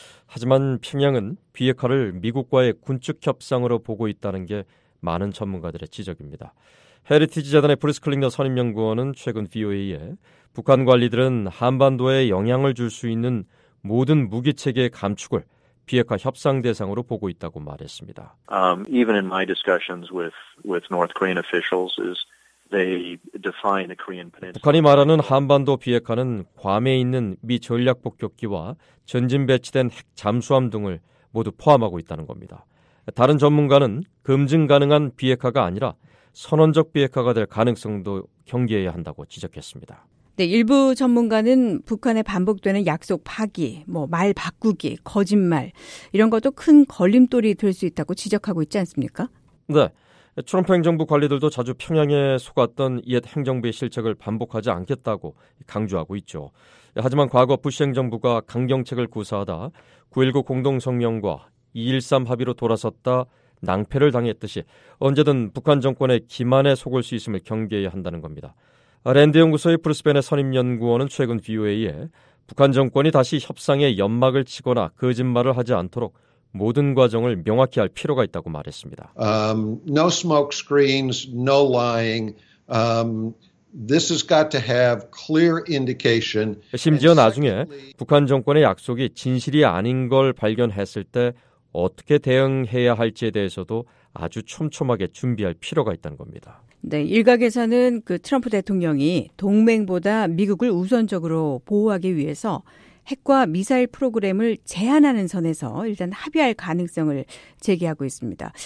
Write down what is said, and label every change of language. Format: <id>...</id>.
<ko>하지만 평양은 비핵화를 미국과의 군축 협상으로 보고 있다는 게 많은 전문가들의 지적입니다. 헤리티지 재단의 브루스 클링너 선임연구원은 최근 VOA에 북한 관리들은 한반도에 영향을 줄 수 있는 모든 무기체계의 감축을 비핵화 협상 대상으로 보고 있다고 말했습니다.</ko> <en>Even in my discussions with North Korean officials is they define the Korean peninsula.</en> <ko>북한이 말하는 한반도 비핵화는 괌에 있는 미 전략폭격기와 전진 배치된 핵 잠수함 등을 모두 포함하고 있다는 겁니다. 다른 전문가는 검증 가능한 비핵화가 아니라 선언적 비핵화가 될 가능성도 경계해야 한다고 지적했습니다. 네, 일부 전문가는 북한의 반복되는 약속 파기, 뭐 말 바꾸기, 거짓말 이런 것도 큰 걸림돌이 될 수 있다고 지적하고 있지 않습니까? 네, 트럼프 행정부 관리들도 자주 평양에 속았던 옛 행정부의 실책을 반복하지 않겠다고 강조하고 있죠. 하지만 과거 부시 행정부가 강경책을 구사하다 9.19 공동성명과 2.13 합의로 돌아섰다 낭패를 당했듯이 언제든 북한 정권의 기만에 속을 수 있음을 경계해야 한다는 겁니다. 랜드 연구소의 브루스벤의 선임연구원은 최근 VOA에 북한 정권이 다시 협상의 연막을 치거나 거짓말을 하지 않도록 모든 과정을 명확히 할 필요가 있다고 말했습니다.</ko> <en>No smoke screens, no lying. This has got to have clear indication.</en> <ko>심지어 나중에 북한 정권의 약속이 진실이 아닌 걸 발견했을 때 어떻게 대응해야 할지에 대해서도 아주 촘촘하게 준비할 필요가 있다는 겁니다. 네, 일각에서는 그 트럼프 대통령이 동맹보다 미국을 우선적으로 보호하기 위해서 핵과 미사일 프로그램을 제한하는 선에서 일단 합의할 가능성을 제기하고 있습니다.</ko>